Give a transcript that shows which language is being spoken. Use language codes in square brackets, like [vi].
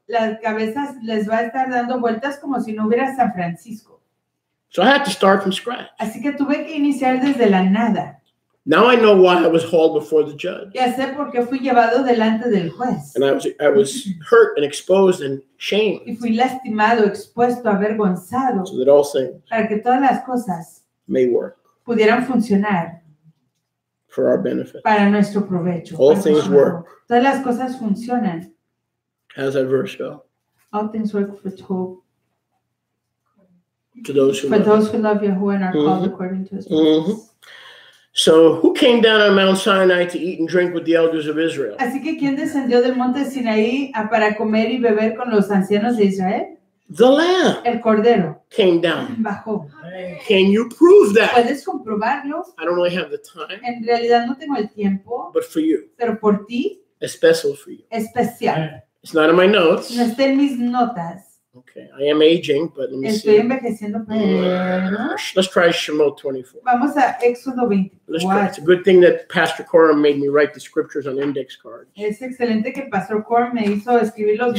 [es] Las cabezas les va a estar dando vueltas como si no hubiera San Francisco. [en] So I had to start from scratch. [es] Así que tuve que iniciar desde la nada. [en] Now I know why I was hauled before the judge. [es] Ya sé por qué fui llevado delante del juez. [en] And I was hurt and exposed and shamed. [es] Y fui lastimado, expuesto, avergonzado. [en] So that all things [es] para que todas las cosas [en] may work. [es] Pudieran funcionar. [en] For our benefit. [es] Para nuestro provecho. [en] All things work. [es] Todas las cosas funcionan. [en] How's that verse go? All things work for those who love Yahuwah and are called according to His purpose. Mm-hmm. So who came down on Mount Sinai to eat and drink with the elders of Israel? [es] Así que ¿quién descendió del monte Sinaí para comer y beber con los ancianos de Israel? [en] The Lamb. [es] El Cordero. [en] Came down. [es] Bajó. [en] Can you prove that? [es] ¿Puedes comprobarlo? [en] I don't really have the time. [es] En realidad no tengo el tiempo. [en] But for you. [es] Pero por ti. [en] Especial for you. [es] Especial. [en] It's not in my notes. [es] No está en mis notas. [en] Okay, I am aging, but let me [es] estoy Estoy envejeciendo, pero... [en] Let's try Shemot 24. [es] Vamos a Éxodo 24. [en] Let's try. It's a good thing that Pastor Coram made me write the scriptures on index cards. [es] Es excelente que Pastor Coram me hizo escribir los